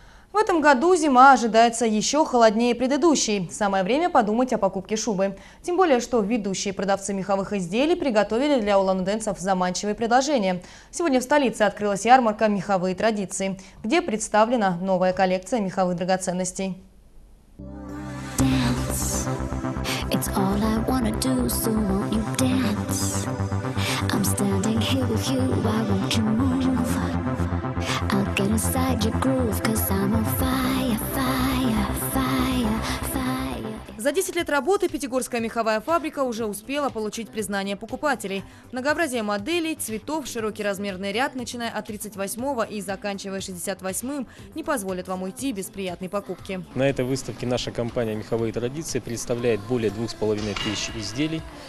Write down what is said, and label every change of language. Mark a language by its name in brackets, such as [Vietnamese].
[Russian] В этом году зима ожидается еще холоднее предыдущей. Самое время подумать о покупке шубы. Тем более, что ведущие продавцы меховых изделий приготовили для улан-удэнцев заманчивые предложения. Сегодня в столице открылась ярмарка «Меховые традиции», где представлена новая коллекция меховых драгоценностей. [English] It's all I wanna do, so won't you dance? I'm standing here with you, why won't you move? I'll get inside your groove, 'cause I'm on fire, fire, fire. [Russian] За 10 лет работы Пятигорская меховая фабрика уже успела получить признание покупателей. Многообразие моделей, цветов, широкий размерный ряд, начиная от 38-го и заканчивая 68-м, не позволят вам уйти без приятной покупки. На этой выставке наша компания «Меховые традиции» представляет более 2500 изделий.